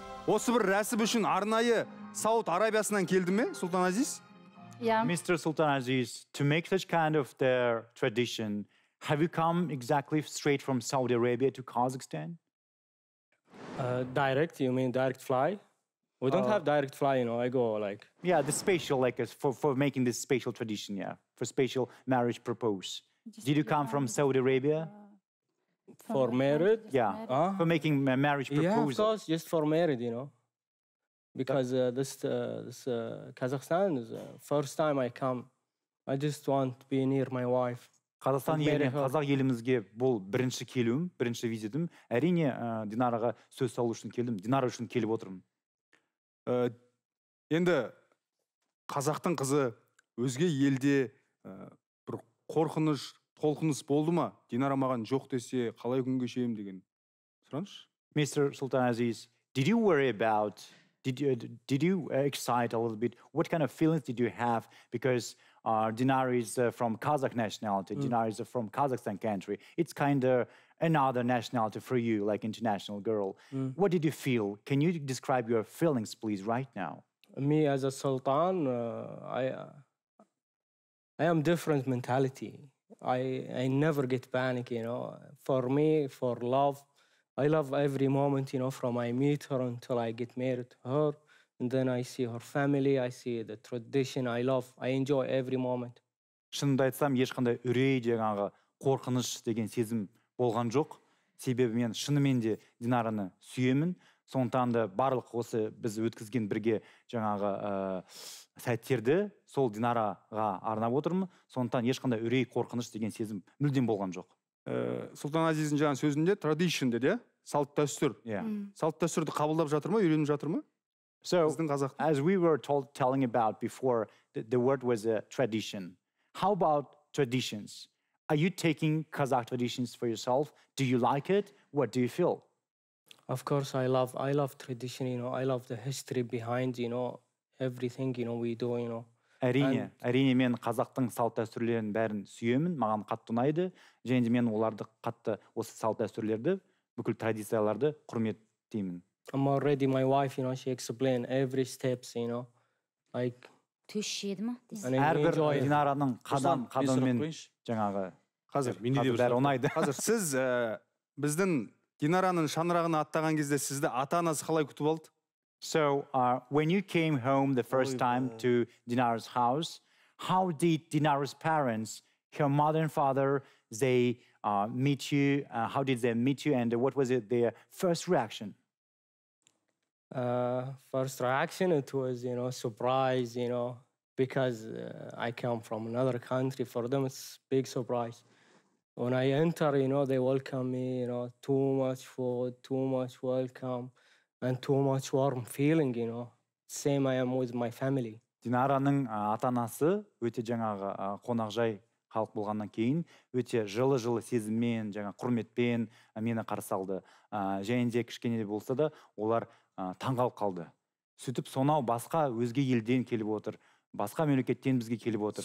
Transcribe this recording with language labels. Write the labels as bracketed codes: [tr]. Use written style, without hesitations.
[kk] Осы бір рәсім үшін арнайы Сауд Арабиясынан келді ме, Султан Азиз? [en] Yeah. Mr. Sultan Aziz, to make such kind of their tradition, have you come exactly straight from Saudi Arabia to Kazakhstan? Direct, you mean direct fly? We don't have direct fly, you know, I go like... Yeah, the special, like for making this special tradition, yeah. For special marriage propose. Did you come from Saudi Arabia? For married? Yeah. Married. For making a marriage proposal. Yeah, of course, just for married, you know. Because this Kazakhstan is the first time I come. I just want to be near my wife. [kk] Қазақстан еліне, Қазақ елімізге бұл бірінші келуім, бірінші визитім. Әрине, Динараға сөз салу үшін келдім. Динара үшін келіп отырмын. Енді қазақтың қызы өзге елде бір қорқыныш, қолқыныс болды ма? Динара маған жоқ десе, қалай күн кешем деген сұраныш. [en] Mr. Sultan Aziz, did you worry about, did you excite a little bit? What kind of feelings did you have? Because Dinara is from Kazakh nationality, Dinara is from Kazakhstan country. It's kind of another nationality for you, like international girl. What did you feel? Can you describe your feelings, please, right now? Me as a Sultan, I am different mentality. I never get panic, you know. For me, for love, I love every moment, you know, from I meet her until I get married to her. And then I see her family, I see the tradition, I love, I enjoy every moment. [kk] Шынымды айтсам, ешқандай үрей дегенге қорқыныш деген сезім болған жоқ. Себебі мен шынымен де Динараны сүйемін. Сондықтан да барлық осы біз өткізген бірге жаңағы сәттерді сол Динараға арнап отырмын. Сондықтан ешқандай үрей қорқыныш деген сезім мүлдем болған жоқ. Султан Азиздің жаңа сөзінде традиция деді, салт-дәстүр. Иә. Салт-дәстүрді қабылдап жатыр ма, үйреніп жатыр ма? [en] So, as we were told telling about before, the word was a tradition. How about traditions? Are you taking Kazakh traditions for yourself? Do you like it? What do you feel? Of course, I love tradition, you know. I love the history behind, you know, everything, you know, we do, you know. [kk] Әрине, әрине мен қазақтың салт-дәстүрлерін бәрін сүйемін, маған қатты ұнайды. Және де мен оларды қатты осы салт-дәстүрлерді, бүкіл традицияларды құрметтеймін. [en] I'm already my wife, you know, she explain every steps, you know. Like [kk] түшшеді ма? Әрбір Динараның қадамымен жаңағы қазір мені де бәрі ұнайды. Қазір сіз біздің Динараның шаңырағын аттаған кезде сізді ата-анасы қалай күтіп алды? [en] So when you came home the first time to Dinara's house, how did Dinara's parents, her mother and father, they meet you? How did they meet you and what was it their first reaction? First reaction, it was, you know, surprise, you know, because I come from another country. For them, it's big surprise. When I enter, you know, they welcome me, you know, too much food, too much welcome. And too much warm feeling, you know. Same I am with my family. [kk] Динараның ата-анасы өте жаңағы қонақжай халық болғаннан кейін өте жылы-жылы сезіммен, жаңа құрметпен мені қарсы алды. Және де кішкене де болса да олар таңғалып қалды. Сөйтіп сонау басқа өзге елден келіп отыр. Басқа мемлекеттен бізге келіп отыр.